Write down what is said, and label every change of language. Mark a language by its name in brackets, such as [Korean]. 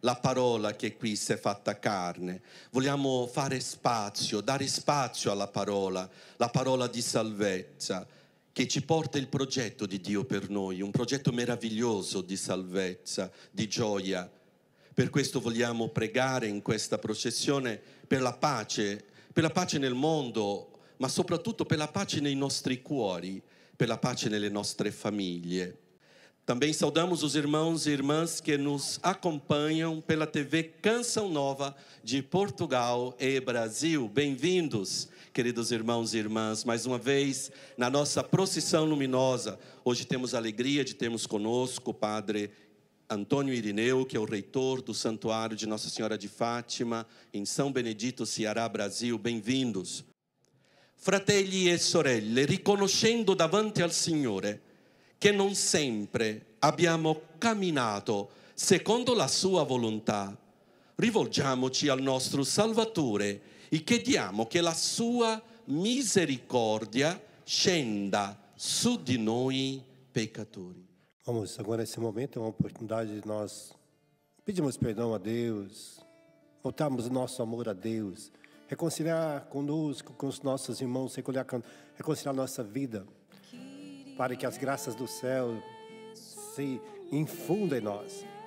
[Italian] la parola che qui si è fatta carne. Vogliamo fare spazio, dare spazio alla parola, la parola di salvezza, che ci porta il progetto di Dio per noi, un progetto meraviglioso di salvezza, di gioia. Per questo vogliamo pregare in questa processione per la pace nel mondo, ma soprattutto per la pace nei nostri cuori, per la pace nelle nostre famiglie. [Portuguese] Também saudamos os irmãos e irmãs que nos acompanham pela TV Canção Nova de Portugal e Brasil. Bem-vindos, queridos irmãos e irmãs, mais uma vez na nossa procissão luminosa. Hoje temos a alegria de termos conosco o padre Antônio Irineu, que é o reitor do Santuário de Nossa Senhora de Fátima, em São Benedito, Ceará, Brasil. Bem-vindos. [Italian] Fratelli e sorelle, riconoscendo davanti al Signore che non sempre abbiamo camminato secondo la sua volontà, rivolgiamoci al nostro Salvatore e chiediamo che la sua misericordia scenda su di noi peccatori. [Portuguese] Vamos, agora esse momento é uma oportunidade de nós pedirmos perdão a Deus, voltarmos o nosso amor a Deus, reconciliar conosco com os nossos irmãos, reconciliar nossa vida, para que as graças do céu se infundam em nós.